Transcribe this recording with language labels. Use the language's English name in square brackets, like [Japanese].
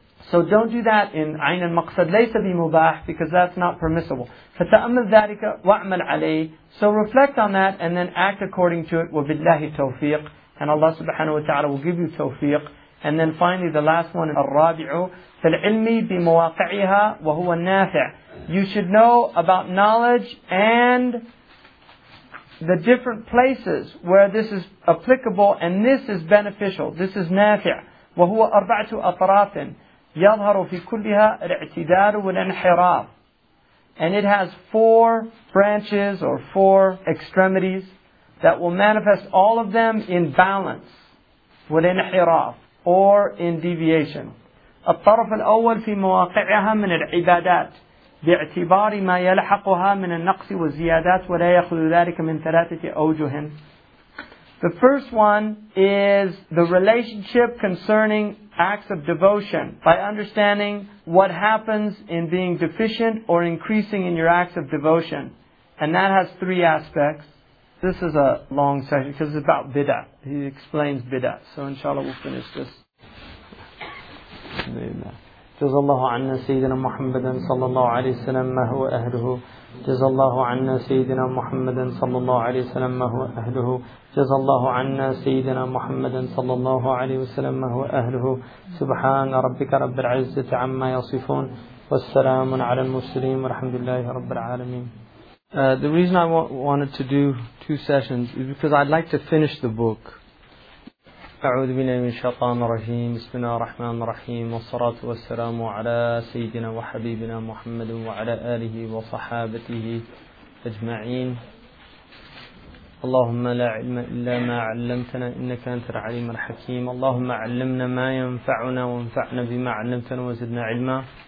[English] So don't do that in [Arabic] عين المقصد ليس بمباح, [English] because that's not permissible. [Arabic] فتأمل ذلك وعمل عليه. [English] So reflect on that and then act according to it. [Arabic] وبالله توفيق. [English] And Allah subhanahu wa ta'ala will give you توفيق. And then finally the last one, الرابع. [Arabic] فالعلم بمواقعها وهو النافع. [English] You should know about knowledge and the different places where this is applicable and this is beneficial. This is nafi'. [Arabic] وَهُوَ أَرْبَعْتُ أَطْرَافٍ يَظْهَرُ فِي كُلِّهَا الْاِعْتِدَارُ وَالْاِنْحِرَافِ. [English] And it has four branches or four extremities that will manifest all of them in balance. وَالْاِنْحِرَافِ. Or in deviation. [Arabic] الطرف الأول في مواقعها من العبادات. باعتبار ما يلحقها من النقص والزيادات ولا يخلو ذلك من ثلاثة أوجه. [English] The first one is the relationship concerning acts of devotion by understanding what happens in being deficient or increasing in your acts of devotion. And that has three aspects. This is a long section because it's about bid'ah. He explains bid'ah. So inshallah we'll finish this. [Arabic] جزا الله عنا سيدنا محمدا صلى الله عليه وسلم ما هو أهله. جزا الله عنا سيدنا محمدا صلى الله عليه وسلم ما هو أهله. جزا الله عنا سيدنا محمدا صلى الله عليه وسلم ما هو أهله. سبحان ربك رب العزة عما يصفون والسلام على المرسلين والحمد لله رب العالمين. [English] The reason I wanted to do two sessions is because I'd like to finish the book. [Arabic] أعوذ بالله من الشيطان الرجيم بسم الله الرحمن الرحيم والصلاة والسلام على سيدنا وحبيبنا محمد وعلى آله وصحابته أجمعين اللهم لا علم إلا ما علمتنا إنك أنت العليم الحكيم اللهم علمنا ما ينفعنا وانفعنا بما علمتنا وزدنا علما